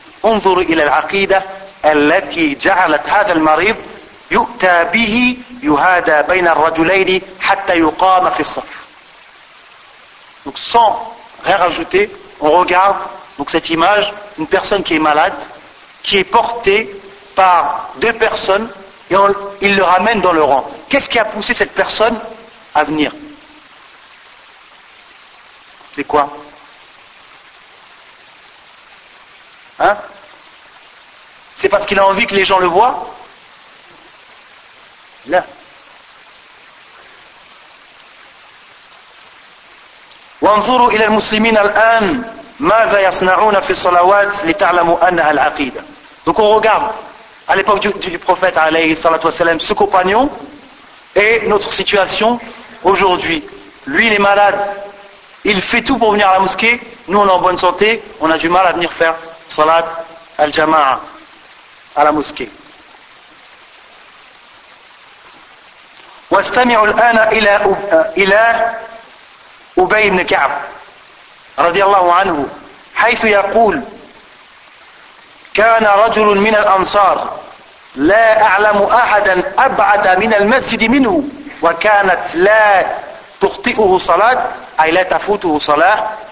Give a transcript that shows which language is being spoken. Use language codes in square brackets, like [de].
[ar] Unzuru ila al-aqida allati ja'alat hadha al-marid يؤتى به يهادى بين الرجلين حتى يقام في الصف. [fr] Donc sans rien rajouter, on regarde donc cette image, une personne qui est malade, qui est portée par deux personnes et il le ramène dans le rang. Qu'est-ce qui a poussé cette personne à venir? C'est quoi? Hein? C'est parce qu'il a envie que les gens le voient? Là. [ar] وانظروا إلى المسلمين الآن ماذا يصنعون في الصلوات لتعلموا أنها العقيدة. [fr] Donc on regarde à l'époque du prophète [ar] alayhi salatu wassalam, [fr] ce compagnon et notre situation aujourd'hui. Lui il est malade, il fait tout pour venir à la mosquée, nous on est en bonne santé, on a du mal à venir faire salat al-jama'a à la mosquée. [ar] واستمعوا الآن إلى أبي بن كعب رضي الله عنه حيث يقول كان رجل من الأنصار لا أعلم أحدا أبعد من المسجد منه وكانت لا تخطئه صلاة أي لا تفوته صلاة